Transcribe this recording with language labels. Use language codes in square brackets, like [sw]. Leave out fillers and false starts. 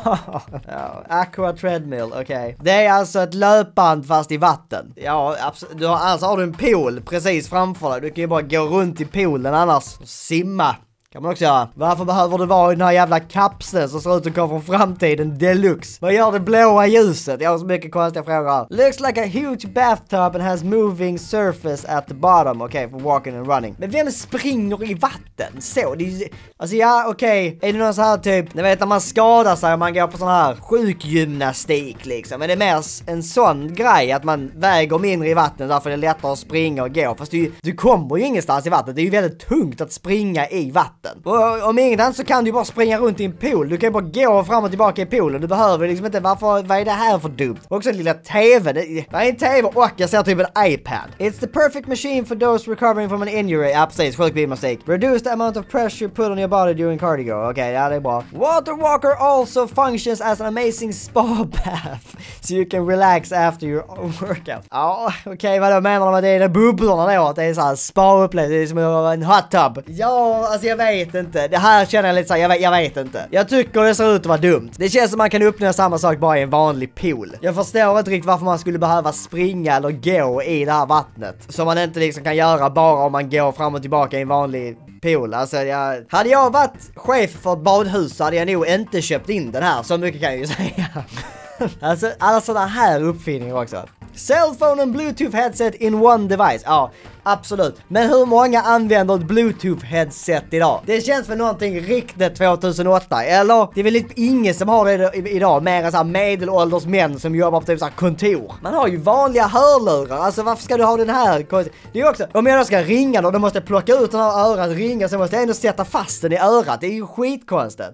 [sv] Oh, aqua treadmill, okej. Okay. Det är alltså ett löpband fast i vatten. Ja, har du en pool precis framför dig. Du kan ju bara gå runt i poolen annars och simma. Kan man också göra. Varför behöver du vara i den här jävla kapseln som ser ut att komma från framtiden deluxe? Vad gör det blåa ljuset? Jag har så mycket konstiga frågor. [en] Looks like a huge bathtub and has moving surface at the bottom. Okej, for walking and running. [sv] Men vem springer i vatten? Så, det är ju... Alltså ja, okej. Okay. Är det någon så här typ... Ni vet när man skadar sig och man går på sån här sjukgymnastik liksom. Men det är mer en sån grej att man väger mindre i vatten. Därför är det lättare att springa och gå. Fast du kommer ju ingenstans i vattnet. Det är ju väldigt tungt att springa i vatten. vatten. Och om inget annat så kan du bara springa runt i en pool. Du kan ju bara gå fram och tillbaka i poolen. Du behöver liksom inte, varför, vad är det här för dumt? Och också en lilla TV. Det är en TV och jag ser typ en iPad. [en] It's the perfect machine for those recovering from an injury. [sv] Ja, precis, sjukt bli mistake. [en] Reduce the amount of pressure put on your body during cardio. [sv] Okej, okay, ja det är bra. [en] Water walker also functions as an amazing spa bath. So you can relax after your workout. [sv] Ja, oh, okej, okay, vad då menar de att det är de bubblorna då? Att det är såhär spa-upplevelse, det är som en hot tub. Ja, alltså jag vet inte. Det här känner jag lite såhär, jag vet inte. Jag tycker det ser ut att vara dumt. Det känns som man kan uppnå samma sak bara i en vanlig pool. Jag förstår inte riktigt varför man skulle behöva springa eller gå i det här vattnet. Som man inte liksom kan göra bara om man går fram och tillbaka i en vanlig pool. Alltså jag, hade jag varit chef för ett badhus så hade jag nog inte köpt in den här. Så mycket kan jag ju säga. Alltså alla sådana här uppfinningar också. [en] Cellphone and bluetooth headset in one device. [sv] Ja, absolut. Men hur många använder ett bluetooth headset idag? Det känns väl någonting riktigt 2008. Eller det är väl lite ingen som har det idag. Mer än såhär medelålders män som jobbar på typ såhär kontor. Man har ju vanliga hörlurar. Alltså varför ska du ha den här? Det är också, om jag då ska ringa då, då måste jag plocka ut den här örat, ringa, så måste jag ändå sätta fast den i örat. Det är ju skitkonstigt.